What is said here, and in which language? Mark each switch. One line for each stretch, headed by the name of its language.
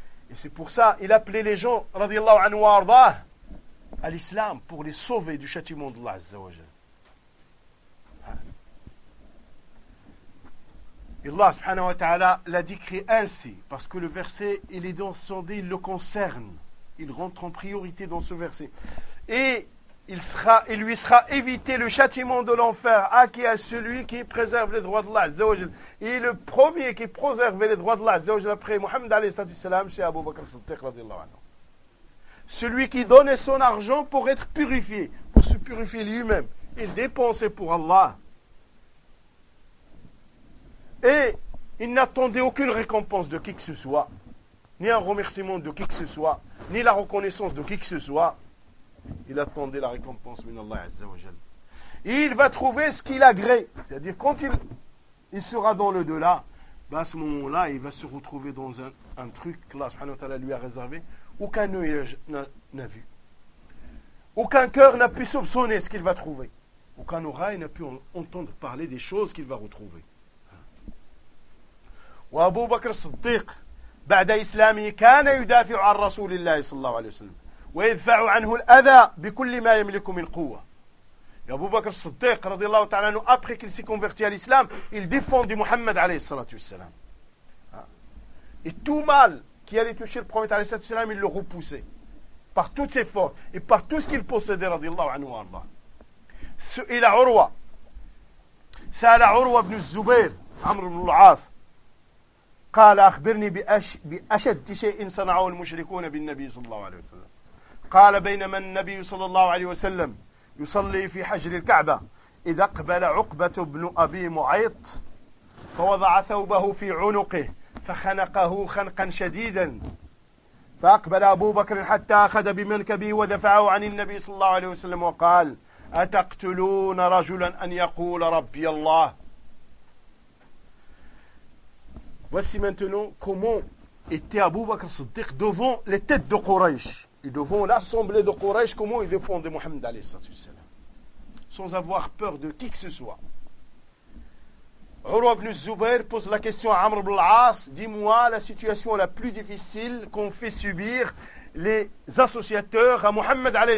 French: Et c'est pour ça il appelait les gens
Arabic: رضي الله عنه وارضاه
French: à l'islam pour les sauver du châtiment d'Allah Azza wa Jalla Allah subhanahu wa ta'ala l'a décrit ainsi, parce que le verset, il est dans son dé, il le concerne. Il rentre en priorité dans ce verset. Et il lui sera évité le châtiment de l'enfer. Qui est celui qui préserve les droits d'Allah, Azza wa Jal. Et le premier qui préserve les droits d'Allah, Azza wa Jal, après Muhammad alayhi salatu salam, c'est Abu Bakr Siddiq, radiallahu anhu. Celui qui donnait son argent pour être purifié, pour se purifier lui-même. Il dépensait pour Allah. Et il n'attendait aucune récompense de qui que ce soit, ni un remerciement de qui que ce soit, ni la reconnaissance de qui que ce soit. Il attendait la récompense minallah azza wa jal. Et il va trouver ce qu'il agrée. C'est-à-dire quand il sera dans le delà, à ce moment-là, il va se retrouver dans un truc qu'Allah subhanahu wa ta'ala lui a réservé, aucun œil n'a vu. Aucun cœur n'a pu soupçonner ce qu'il va trouver. Aucun oreille n'a pu entendre parler des choses qu'il va retrouver.
Arabic: وابو بكر الصديق بعد اسلامه كان يدافع عن رسول الله صلى الله عليه وسلم ويدفع عنه الاذى بكل ما يملك من قوه يا ابو بكر الصديق رضي الله تعالى عنه
French: après qu'il s'est converti à l'islam il défend du
Arabic: محمد عليه الصلاه والسلام
French: et tout mal qui allait toucher le prophète
Arabic: عليه الصلاه والسلام
French: il le repoussait par toutes ses forces et par tout ce qu'il possédait
Arabic: رضي الله عنه وارضاه سئل عروه سأل عروة بن الزبير عمرو بن العاص قال أخبرني بأشد شيء صنعه المشركون بالنبي صلى الله عليه وسلم. قال بينما النبي صلى الله عليه وسلم يصلي في حجر الكعبة إذا قبل عقبة بن أبي معيط فوضع ثوبه في عنقه فخنقه خنقا شديدا فأقبل أبو بكر حتى أخذ بمنكبه ودفعه عن النبي صلى الله عليه وسلم وقال أتقتلون رجلا أن يقول ربي الله.
French: Voici maintenant comment était Abu Bakr Siddiq devant les têtes de Quraysh et devant l'assemblée de Quraysh, comment il défendait Mohammed sans avoir peur de qui que ce soit. Urwa ibn Zubair pose la question à Amr ibn al-As, dis-moi la situation la plus difficile qu'ont fait subir les associateurs à Mohammed.